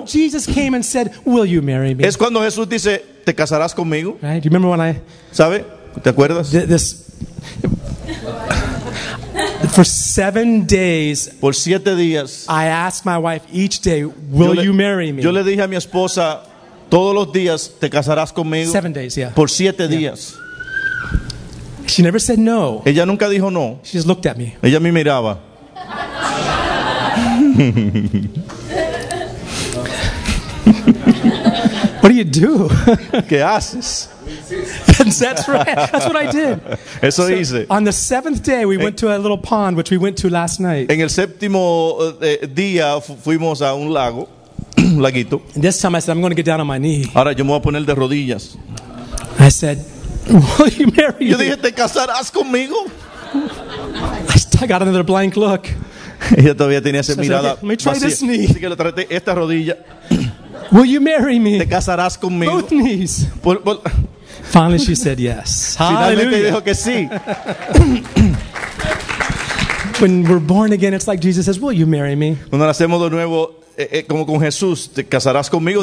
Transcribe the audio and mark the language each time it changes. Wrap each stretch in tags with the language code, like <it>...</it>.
<en>That's when Jesus came and said, "Will you marry me?"</en> <es>Es cuando Jesús dice, "¿Te casarás conmigo?"</es> <en>Right? Do you remember when I?</en> <es>¿Sabe? ¿Te acuerdas?</es> <en>This. For 7 days,</en> <es>por siete días,</es> <en>I asked my wife each day, "Will you marry me?"</en> <es>Yo le dije a mi esposa todos los días, "¿Te casarás conmigo?"</es> <en>7 days, yeah.</en> <es>Por siete días.</es> <en>She never said no.</en> <es>Ella nunca dijo no.</es> <en>She just looked at me.</en> <es>Ella me miraba.</es> <en>What do you do?</en> <es>¿Qué haces?</es> <en>That's right. That's what I did.</en> <es>Eso so, hice.</es> <en>On the seventh day, we went to a little pond, which we went to last night.</en> <es>En el séptimo día fuimos a un lago, un laguito.</es> <en>And this time I said, I'm going to get down on my knee.</en> <es>Ahora yo me voy a poner de rodillas.</es> <en>I said, will you marry me?</en> <es>Yo dije, ¿te casarás conmigo?</es> <en>I got another blank look.</en> <es>Yo todavía tenía esa mirada vacía.</es> <en>Let me try this knee.</en> <es>Así que le traté esta rodilla.</es> <en>Will you marry me?</en> <es>¿Te casarás conmigo?</es> <en>Both knees.</en> <es>Por...</es> <en>Finally she said yes.</en> <es>Finalmente dijo que sí.</es> <en>When we're born again, it's like Jesus says, will you marry me?</en> <es>Cuando nacemos de nuevo, como con Jesús, ¿te casarás conmigo?</es>